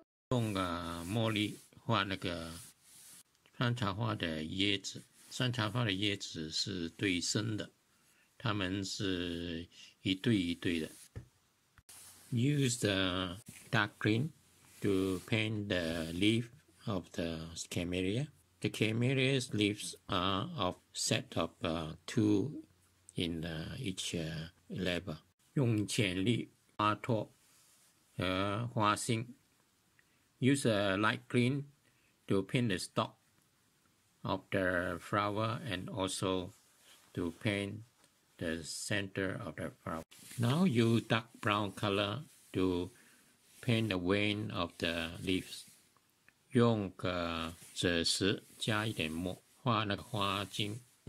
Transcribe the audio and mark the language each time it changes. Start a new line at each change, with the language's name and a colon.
Chinese: 用茉莉画那个山茶花的叶子，山茶花的叶子是对生的，它们是一对一对的。
English: Use the dark green to paint the leaf of the camellia. The camellia's leaves are of set of two in each level.
Chinese: 用浅绿花托和花心。
English: Use a light green to paint the stalk of the flower and also to paint the center of the flower. Now use dark brown color to paint the vein of the leaves.
Chinese: 用赭石加一点墨画那个花茎。